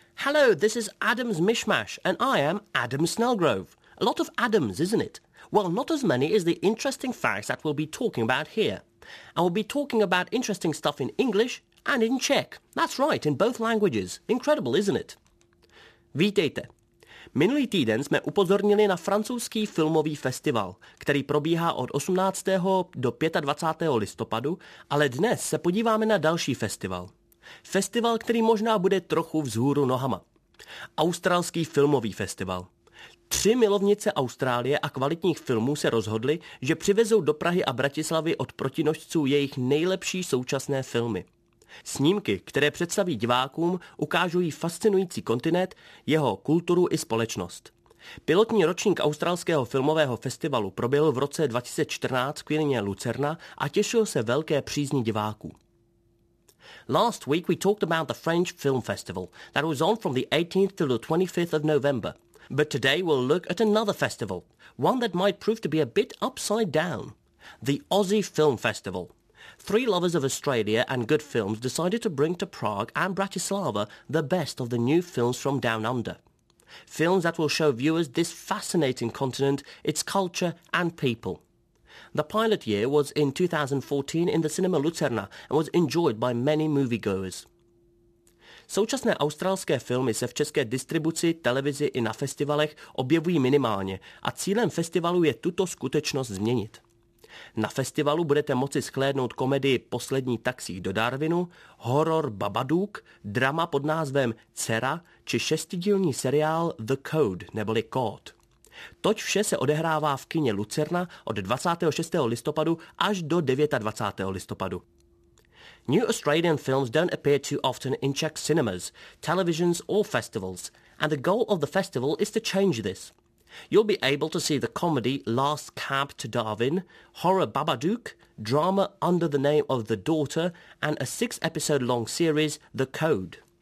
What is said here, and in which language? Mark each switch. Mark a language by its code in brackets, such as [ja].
[en] Hello, this is Adam's Mishmash, and I am Adam Snellgrove. A lot of Adams, isn't it? Well, not as many as the interesting facts that we'll be talking about here. And we'll be talking about interesting stuff in English and in Czech. That's right, in both languages. Incredible, isn't it? [cs] Vítejte. Minulý týden jsme upozornili na francouzský filmový festival, který probíhá od 18. do 25. listopadu, ale dnes se podíváme na další festival. Festival, který možná bude trochu vzhůru nohama. Australský filmový festival. Tři milovnice Austrálie a kvalitních filmů se rozhodly, že přivezou do Prahy a Bratislavy od protinožců jejich nejlepší současné filmy. Snímky, které představí divákům, ukážují fascinující kontinent, jeho kulturu i společnost. Pilotní ročník australského filmového festivalu proběhl v roce 2014 v Kvíně Lucerna a těšil se velké přízni diváků. [en] Last week we talked about the French Film Festival that was on from the 18th to the 25th of November. But today we'll look at another festival, one that might prove to be a bit upside down. The Aussie Film Festival. Three lovers of Australia and good films decided to bring to Prague and Bratislava the best of the new films from down under. Films that will show viewers this fascinating continent, its culture and people. The pilot year was in 2014 in the cinema Lucerna and was enjoyed by many moviegoers. [cs] Současné australské filmy se v české distribuci, televizi i na festivalech objevují minimálně a cílem festivalu je tuto skutečnost změnit. Na festivalu budete moci shlédnout komedii Poslední taxík do Darwinu, horor Babadook, drama pod názvem Dcera či šestidílní seriál The Code neboli Code. Toť vše se odehrává v kině Lucerna od 26. listopadu až do 29. listopadu. [en] New Australian films don't appear too often in Czech cinemas, televisions or festivals, and the goal of the festival is to change this. You'll be able to see the comedy Last Cab to Darwin, horror Babadook, drama Under the Name of the Daughter, and a 6-episode long series The Code.